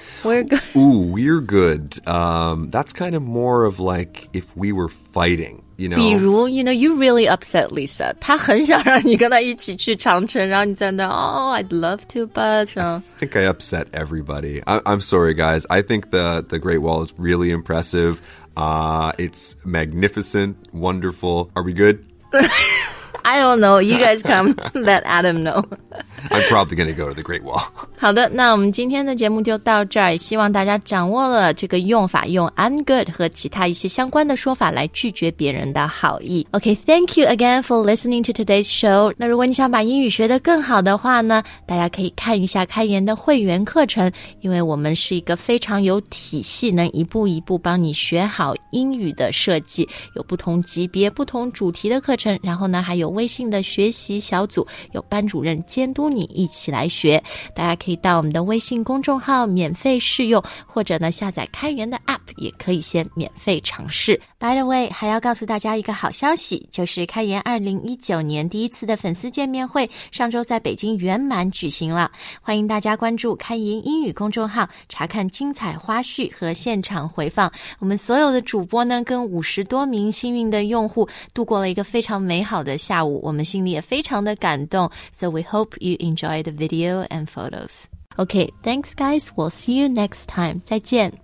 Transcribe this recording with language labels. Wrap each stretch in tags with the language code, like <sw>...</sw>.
<en>We're good Ooh, we're good、That's kind of more of like If we were fighting You know</en> <zh>比如</zh> <en>You know, you really upset Lisa</en> <zh>她很想让你跟她一起去长城然后你在那</zh> <en>Oh, I'd love to but、 I think I upset everybody I'm sorry guys I think the Great Wall is really impressive It's magnificent, wonderful. Are we good? I don't know. You guys come let Adam know. I'm probably going to go to the Great Wall.</en> <zh>好的，那我们今天的节目就到这儿。希望大家掌握了这个用法，用</zh> <en>I'm good</en> <zh>和其他一些相关的说法来拒绝别人的好意。</zh> <en>Okay, thank you again for listening to today's show.</en> <zh>那如果你想把英语学得更好的话呢，大家可以看一下开言的会员课程，因为我们是一个非常有体系，能一步一步帮你学好英语的设计，有不同级别、不同主题的课程，然后呢，还有微信的学习小组，有班主任监督你一起来学，大家可以到我们的微信公众号免费试用，或者呢下载开言的 app 也可以先免费尝试。</zh> <en>By the way,</en> <zh>还要告诉大家一个好消息，就是开言2019年第一次的粉丝见面会上周在北京圆满举行了，欢迎大家关注开言英语公众号查看精彩花絮和现场回放。我们所有的主播呢跟50多名幸运的用户度过了一个非常美好的下午。舞，我们心里也非常的感动。</zh> <en>So we hope you enjoy the video and photos. Okay, thanks guys, we'll see you next time.</en> <zh>再见。</zh>